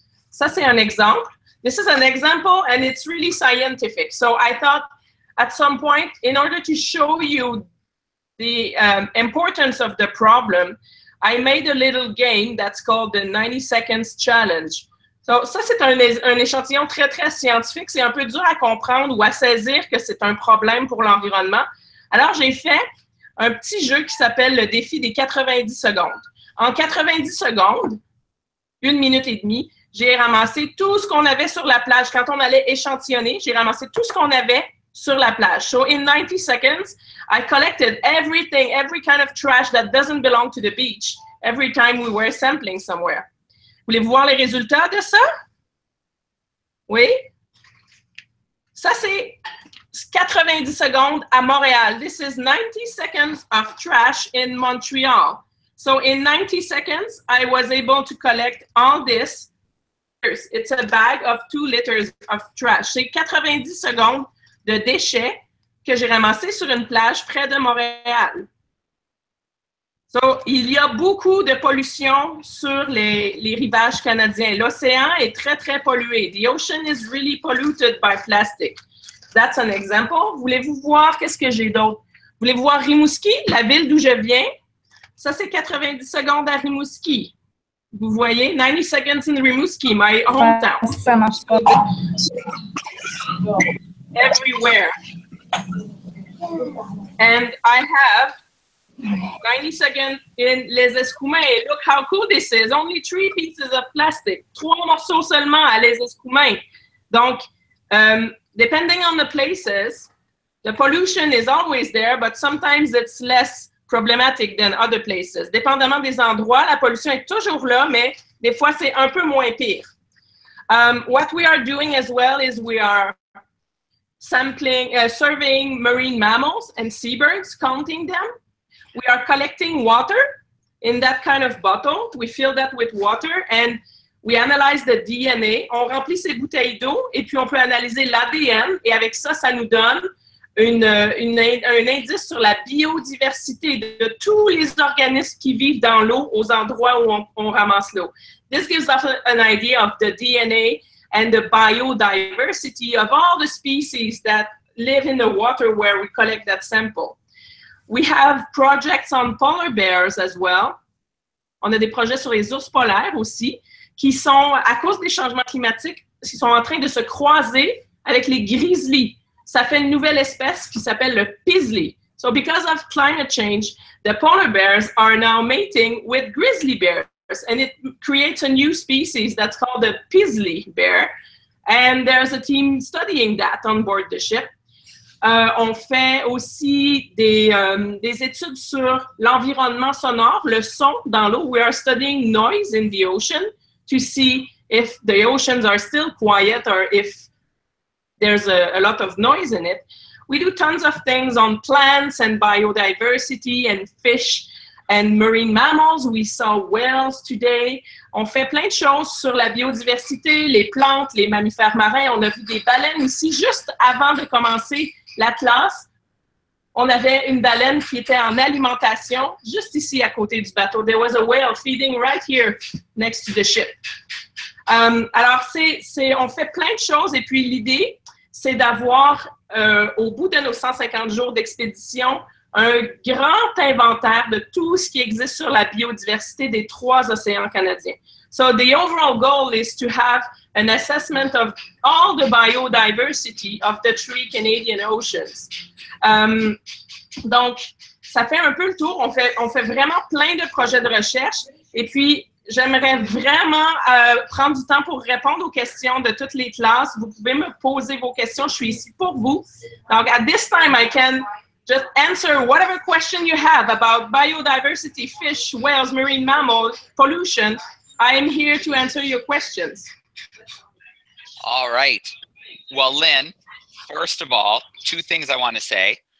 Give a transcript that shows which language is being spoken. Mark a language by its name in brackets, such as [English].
[French] Ça, c'est un exemple. [English] This is an example, and it's really scientific. So I thought at some point in order to show you the importance of the problem, I made a little game that's called the 90 seconds challenge. [French] So, ça, c'est un échantillon très, très scientifique. C'est un peu dur à comprendre ou à saisir que c'est un problème pour l'environnement. Alors, j'ai fait un petit jeu qui s'appelle le défi des 90 secondes. En 90 secondes, une minute et demie, j'ai ramassé tout ce qu'on avait sur la plage. Quand on allait échantillonner, j'ai ramassé tout ce qu'on avait sur la plage. [English] So, in 90 seconds, I collected everything, every kind of trash that doesn't belong to the beach, every time we were sampling somewhere. [French] Voulez-vous voir les résultats de ça? Oui? Ça, c'est 90 secondes à Montréal. [English] This is 90 seconds of trash in Montreal. So, in 90 seconds, I was able to collect all this. It's a bag of 2 liters of trash. [French] C'est 90 secondes de déchets que j'ai ramassés sur une plage près de Montréal. So, il y a beaucoup de pollution sur les rivages canadiens. L'océan est très, très pollué. [English] The ocean is really polluted by plastic. That's an example. [French] Voulez-vous voir, qu'est-ce que j'ai d'autre? Voulez-vous voir Rimouski, la ville d'où je viens? Ça, c'est 90 secondes à Rimouski. Vous voyez? [English] 90 seconds in Rimouski, my hometown. [French] Ça marche pas. Bon. [English] Everywhere. And I have 90 seconds in Les Escoumins. Look how cool this is. Only 3 pieces of plastic. [French] 3 morceaux seulement à Les Escoumins. [English] Donc, depending on the places, the pollution is always there, but sometimes it's less problematic than other places. [French] Dépendamment des endroits, la pollution est toujours là, mais des fois, c'est un peu moins pire. [English] What we are doing as well is we are sampling, surveying marine mammals and seabirds, counting them. We are collecting water in that kind of bottle. We fill that with water and we analyze the DNA. [French] On remplit ces bouteilles d'eau et puis on peut analyser l'ADN. Et avec ça, ça nous donne un indice sur la biodiversité de tous les organismes qui vivent dans l'eau aux endroits où on ramasse l'eau. [English] This gives us an idea of the DNA and the biodiversity of all the species that live in the water where we collect that sample. We have projects on polar bears as well. [French] On a des projets sur les ours polaires aussi, qui sont, à cause des changements climatiques, qui sont en train de se croiser avec les grizzlies. Ça fait une nouvelle espèce qui s'appelle le pizzly. [English] So because of climate change, the polar bears are now mating with grizzly bears. And it creates a new species that's called the pizzly bear. And there's a team studying that on board the ship. [French] On fait aussi des études sur l'environnement sonore, le son dans l'eau. [English] We are studying noise in the ocean to see if the oceans are still quiet or if there's a lot of noise in it. We do tons of things on plants and biodiversity and fish and marine mammals. We saw whales today. [French] On fait plein de choses sur la biodiversité, les plantes, les mammifères marins. On a vu des baleines aussi juste avant de commencer l'Atlas. On avait une baleine qui était en alimentation juste ici à côté du bateau. [English] There was a whale feeding right here next to the ship. [French] Alors, on fait plein de choses et puis l'idée, c'est d'avoir au bout de nos 150 jours d'expédition un grand inventaire de tout ce qui existe sur la biodiversité des 3 océans canadiens. [English] So the overall goal is to have an assessment of all the biodiversity of the 3 Canadian oceans. [French] Donc, ça fait un peu le tour. On fait vraiment plein de projets de recherche. Et puis, j'aimerais vraiment prendre du temps pour répondre aux questions de toutes les classes. Vous pouvez me poser vos questions. Je suis ici pour vous. [English] Donc, at this time, I can just answer whatever question you have about biodiversity, fish, whales, marine mammals, pollution. I am here to answer your questions. All right. Well, Lyne, first of all, 2 things I want to say.